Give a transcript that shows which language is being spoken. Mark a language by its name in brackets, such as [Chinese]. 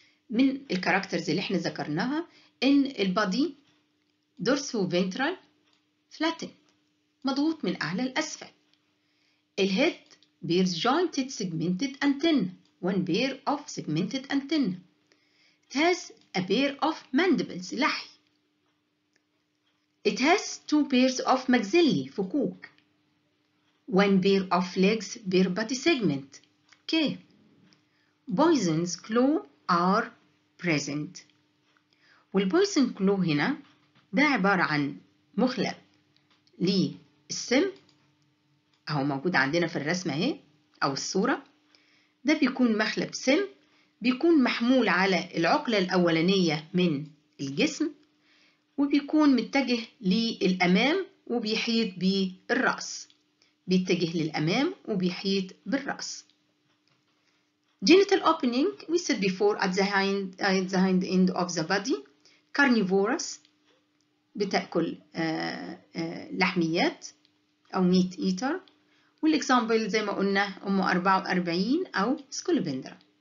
[Arabic] من الكاركترز اللي إحنا ذكرناها إن البادي دورسو فينترال فلاتن، مضغوط من أعلى لأسفل. [English] الهيد bears jointed segmented antennae, one pair of segmented antennae. It has a pair of mandibles، لحي. It has two pairs of maxillae، فكوك. One pair of legs per body segment. K. Poison's claw are present. [Arabic] والبويزن كلو هنا ده عبارة عن مخلب للسم، أهو موجود عندنا في الرسمة اهي أو الصورة. ده بيكون مخلب سم بيكون محمول على العقلة الأولانية من الجسم وبيكون متجه للأمام وبيحيط بالرأس. بيتجه للأمام وبيحيط بالرأس. [English] Genital opening we said before at the hind end of the body. [Arabic] Carnivorous بتأكل لحميات أو meat eater. والإكزامبل زي ما قلنا أم 44 أو سكولوبندرا.